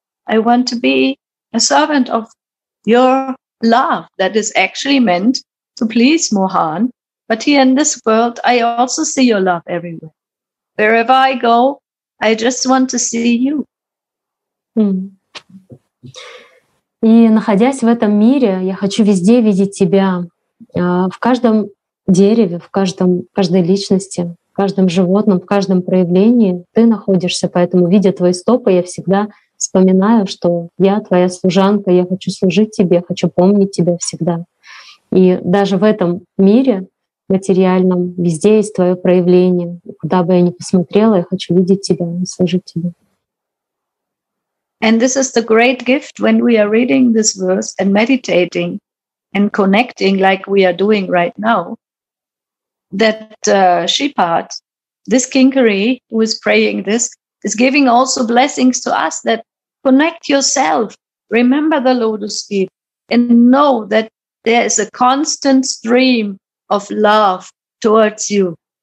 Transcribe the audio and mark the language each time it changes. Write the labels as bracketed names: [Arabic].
[English] I want to be a servant of your love that is actually meant to please Mohan. But here in this world, I also see your love everywhere. Wherever I go, I just want to see you. [Russian] И находясь в этом мире, я хочу везде видеть тебя, в каждом дереве, в каждой личности, в каждом животном, в каждом проявлении ты находишься. Поэтому, видя твои стопы, я всегда вспоминаю, что я твоя служанка, я хочу служить тебе, хочу помнить тебя всегда. И даже в этом мире материальном везде есть твое проявление. Куда бы я ни посмотрела, я хочу видеть тебя и служить тебе. [English] And this is the great gift when we are reading this verse and meditating and connecting like we are doing right now, that Shripad, this Kinkari who is praying this, is giving also blessings to us that connect yourself, remember the lotus feet, and know that there is a constant stream of love towards you.